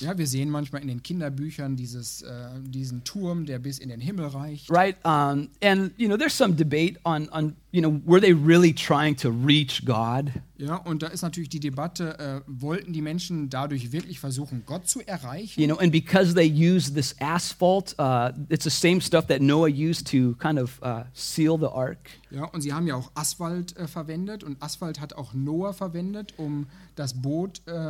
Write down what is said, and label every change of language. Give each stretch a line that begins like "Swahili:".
German: Ja, wir sehen manchmal in den Kinderbüchern dieses, diesen Turm, der bis in den Himmel reicht.
English: Right, and, you know, there's some debate on you know, were they really trying to reach God?
German: Ja, und da ist natürlich die Debatte, wollten die Menschen dadurch wirklich versuchen, Gott zu erreichen?
English: You know, and because they use this asphalt, it's the same stuff that Noah used to kind of seal the ark.
German: Ja, und sie haben ja auch Asphalt verwendet, und Asphalt hat auch Noah verwendet, um das Boot